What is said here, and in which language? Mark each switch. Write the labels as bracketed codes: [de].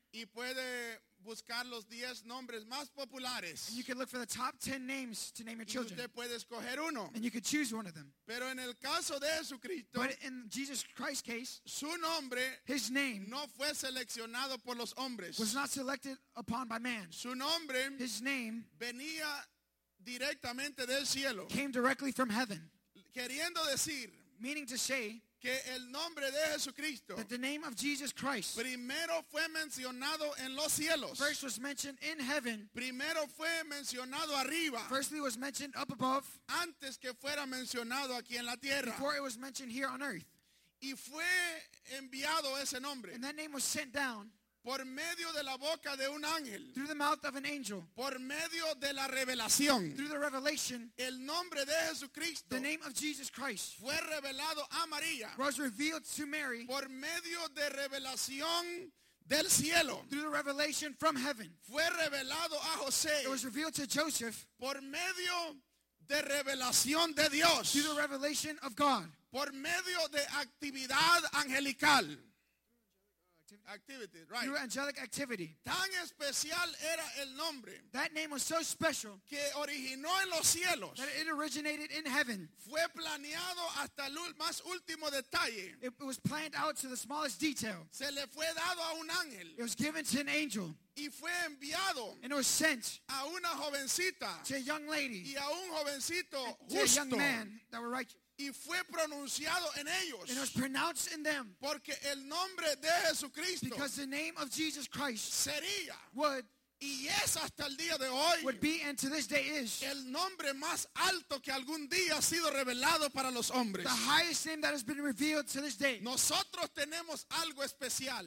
[es] y puede buscar los 10 nombres más populares. [en] And you can look for the top 10 names to name your children. [es] Y usted puede escoger uno. [en] And you could choose one of them. [es] Pero en el caso de Jesucristo, [en] but in Jesus Christ's case, [es] su nombre, [en] his name, [es] no fue seleccionado por los hombres. [en] Was not selected upon by man. [es] Su nombre, [en] his name, [es] venía directamente del cielo. [en] Came directly from heaven. [es] Queriendo decir, [en] meaning to say, [es] que el nombre de Jesucristo, [en] that the name of Jesus Christ, [es] primero fue mencionado en los cielos, [en] first was mentioned in heaven, [es] primero fue mencionado arriba, [en] firstly was mentioned up above, [es] antes que fuera mencionado aquí en la tierra, [en] before it was mentioned here on earth, [es] y fue enviado ese nombre, [en] and that name was sent down, [es] por medio de la boca de un ángel, [en] through the mouth of an angel, [es] por medio de la revelación, [en] through the revelation, [es] el nombre de Jesucristo, [en] the name of Jesus Christ, [es] fue revelado a María, [en] was revealed to Mary, [es] por medio de revelación del cielo, [en] through the revelation from heaven, [es] fue revelado a José, [en] it was revealed to Joseph, [es] por medio de revelación de Dios, [en] through the revelation of God, [es] por medio de actividad angelical. [en] Activity, right. Through angelic activity. [es] Tan especial era el nombre, [en] that name was so special, [es] que originó en los cielos, [en] that it originated in heaven. [es] Fue planeado hasta el más último detalle. [en] It was planned out to the smallest detail. [es] Se le fue dado a un ángel. [en] It was given to an angel. [es] Y fue enviado, [en] and it was sent, [es] a una jovencita, [en] to a young lady, [es] y a un jovencito, [en] to a young man that were righteous. [es] Y fue pronunciado en ellos. [en] And it was pronounced in them. [es] Porque el nombre de Jesucristo, [en] because the name of Jesus Christ, [es] sería, [en] would, [es] y es hasta el día de hoy, [en] would be and to this day is, [es] el nombre más alto que algún día ha sido revelado para los hombres. [en] The highest name that has been revealed to this day. [es] Nosotros tenemos algo especial.